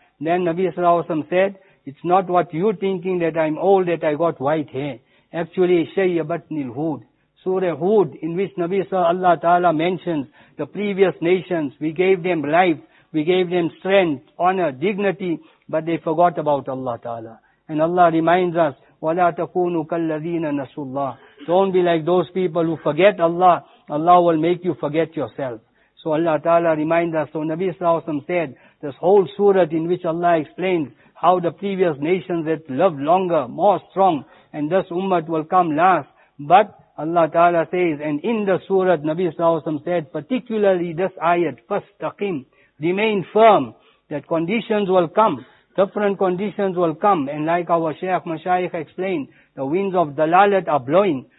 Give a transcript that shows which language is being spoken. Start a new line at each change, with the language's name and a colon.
English: Then Nabi sallallahu alayhi wa sallam said, it's not what you thinking that I'm old, that I got white hair. Actually, Shayya Batnil Hud. Surah Hud, in which Nabi Sallallahu Alaihi Wasallam mentions the previous nations. We gave them life. We gave them strength, honor, dignity. But they forgot about Allah Ta'ala. And Allah reminds us,
Arabic: وَلَا تَكُونُوا كَالَّذِينَ نَسُوا اللَّهِ.
English: Don't be like those people who forget Allah. Allah will make you forget yourself. So Allah Ta'ala reminds us. So Nabi Sallallahu Alaihi Wasallam said, this whole surah in which Allah explains how the previous nations that lived longer, more strong, and this ummah will come last. But Allah Ta'ala says, and in the surah, Nabi Sallallahu Alaihi Wasallam said, particularly this ayat, فَاسْتَقِمْ, remain firm, that conditions will come, different conditions will come, and like our Shaykh Mashayikh explained, the winds of dalalat are blowing.